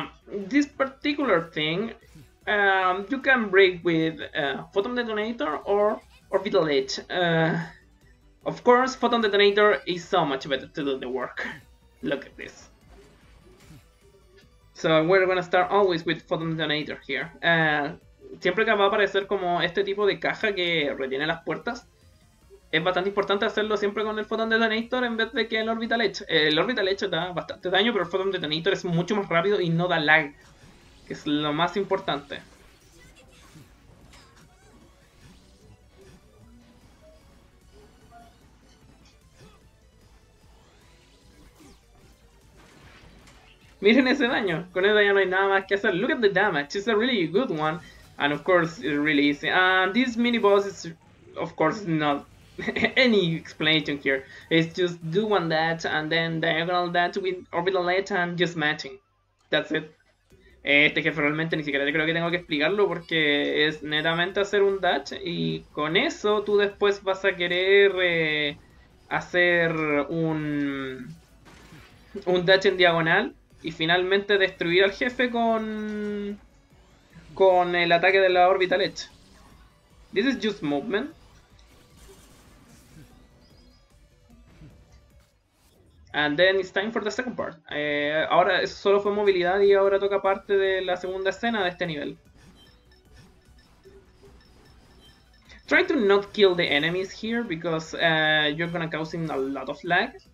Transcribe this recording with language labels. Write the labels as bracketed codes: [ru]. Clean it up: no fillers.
[en] This particular thing, you can break with Photon Detonator or Orbital Edge. Of course, Photon Detonator is so much better to do the work. Look at this. So we're gonna start always with Photon Detonator here. [es] Siempre que va a aparecer como este tipo de caja que retiene las puertas, es bastante importante hacerlo siempre con el Photon Detonator en vez de que el Orbital Edge. El Orbital Edge da bastante daño, pero el Photon Detonator es mucho más rápido y no da lag, que es lo más importante. Miren ese daño, con ese daño no hay nada más que hacer. [en] Look at the damage, it's a really good one. And of course, it's really easy. And this mini boss is, of course, not any explanation here. It's just do one dash and then diagonal dash with Orbital Edge and just matching. That's it. [es] Este jefe realmente ni siquiera creo que tengo que explicarlo porque es netamente hacer un dash y con eso tú después vas a querer hacer un dash en diagonal y finalmente destruir al jefe con el ataque de la Orbital Edge. [en] This is just movement. And then it's time for the second part. [es] Ahora eso solo fue movilidad y ahora toca parte de la segunda escena de este nivel. [en] Try to not kill the enemies here because you're gonna causing a lot of lag.